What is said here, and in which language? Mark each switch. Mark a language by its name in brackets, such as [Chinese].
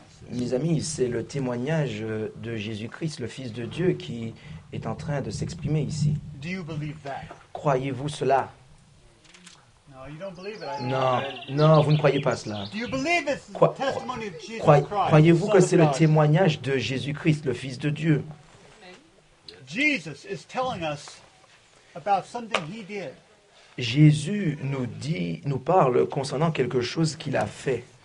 [French] Mes amis, c'est le témoignage de Jésus-Christ, le Fils de Dieu, qui est en train de s'exprimer ici. [English] Do you believe that? [French] Croyez-vous cela? [English] No, you don't believe it. [French] Non, vous ne croyez pas cela. [English] Do you believe it's the testimony of Jesus Christ, [French] croyez-vous que c'est le témoignage de Jésus-Christ, le Fils de Dieu? [English] Jesus is telling us about something he did. [French] Jésus nous dit, nous parle concernant quelque chose qu'il a fait.